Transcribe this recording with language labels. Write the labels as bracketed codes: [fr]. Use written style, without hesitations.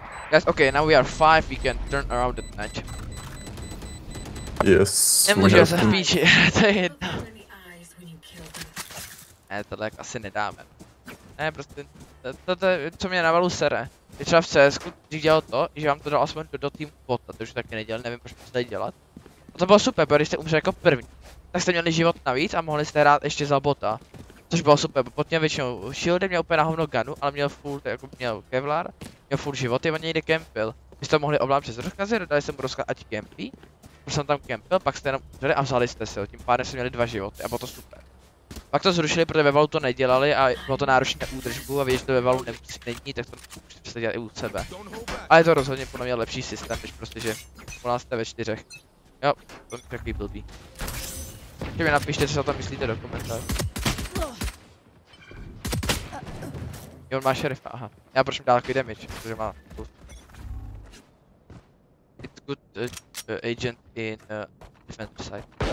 [en] Guys, okay, now we are 5, we can turn around the match. Yes. [cs] Nemůžu se v píči, to je jedno. Ne, tohle jak asi nedáme. Ne, prostě, to je, co mě navalu sere. Je třeba v CSku, když dělal to, že vám to dal aspoň do týmu bota, to už taky nedělal, nevím, proč to tady dělat. A to bylo super, protože jste umřeli jako první, tak jste měli život navíc a mohli jste hrát ještě za bota. Což bylo super, pod měl většinou shieldy, měl úplně na hovno gunu, ale měl full, tak jako měl kevlar, měl full životy, on někde kempil. My jste mohli ovládat přes rozkazy, dodali jsem mu rozkaz, ať kempí, protože jsem tam kempil, pak jste jenom udřeli a vzali jste si ho, tím pádem jsme měli dva životy a bylo to super. Pak to zrušili, protože ve valu to nedělali a bylo to náročné na údržbu a vědět, že to ve valu nemusí, není, tak to můžete dělat i u sebe. Ale je to rozhodně podle mě lepší systém, než prostě, že u nás jste ve čtyřech. Jo, to je takový blbý. Takže mi napište, co se o tom myslíte do komentářů. Jo, on má šerifa, aha. Já proč mi dál takový damage, protože má... [en] It's good agent in defense side.